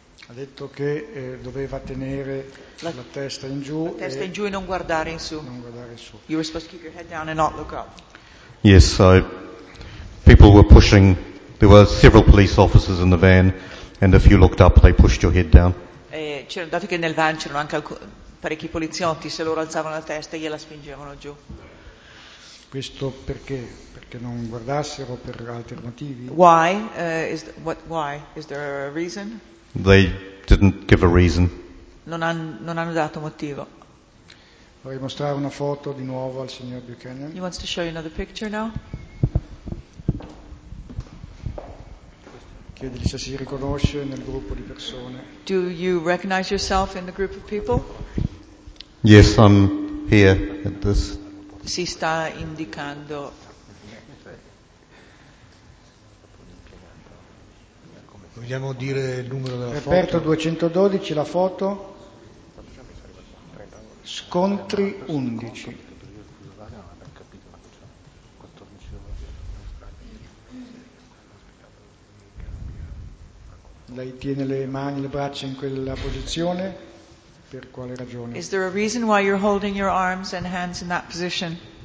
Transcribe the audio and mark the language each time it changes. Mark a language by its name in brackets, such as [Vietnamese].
[Italian] Ha detto che doveva tenere la testa in giù. La testa in giù e non guardare in su. Non guardare su. [English] You were supposed to keep your head down and not look up. Yes, so people were pushing. There were several police officers in the van, and if you looked up, they pushed your head down. [Italian] Dato che nel van c'erano anche parecchi poliziotti, se loro alzavano la testa, gliela spingevano giù. Questo perché? Perché non guardassero per altri motivi? [English] Why? Why? Is there a reason? They didn't give a reason. [Italian] Non hanno dato motivo. Vorrei mostrare una foto di nuovo al signor Buchanan. [English] He wants to show you another picture now. [Italian] Chiedergli se si riconosce nel gruppo di persone. [English] Do you recognize yourself in the group of people? Yes, I'm here at this. [Italian] Si sta indicando. Vogliamo dire il numero della foto? Reperto 212, la foto. Scontri 11. Lei tiene le mani, le braccia in quella posizione, per quale ragione? [English] Is there a reason why you're holding your arms and hands in that position?